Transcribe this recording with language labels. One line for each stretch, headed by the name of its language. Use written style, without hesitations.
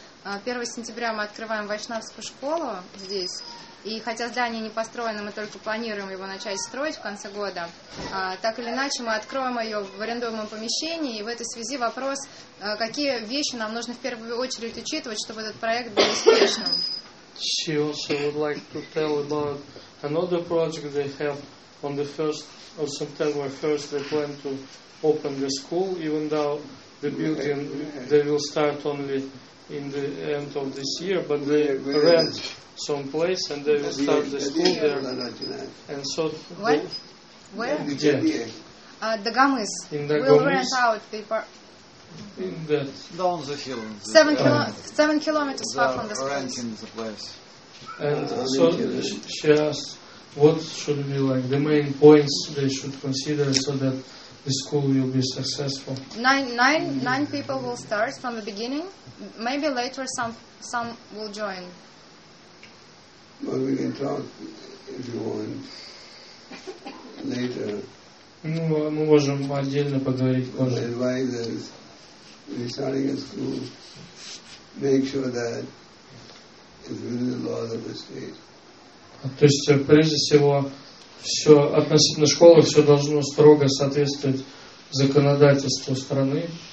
Russian: 1 сентября мы открываем вайшнавскую школу здесь. И хотя здание не построено, мы только планируем его начать строить в конце года. Так или иначе, мы откроем ее в арендуемом помещении. И в этой связи вопрос, какие вещи нам нужно в первую очередь учитывать, чтобы этот проект был успешным.
English: She also would like to tell about another project they have on the 1st of September. First, they plan to open the school, even though the building they will start only in the end of this year, but they rent some place and they will start the school there. And so what? Where?
Russian: Где? Дагомыс.
English: In the we'll rent out the in that down the hill. 7 kilometers far from the school. Renting the place. And so she asked, what should be like the main points they should consider so that the school will be successful? Nine people will start from the beginning. Maybe later some will join. Well, we can talk if you want later.
Russian: Мы можем отдельно поговорить позже.
English: Advisors, we're starting a school. Make sure that it's within the laws of the state.
Russian: То есть, прежде всего, все относительно школы, все должно строго соответствовать законодательству страны.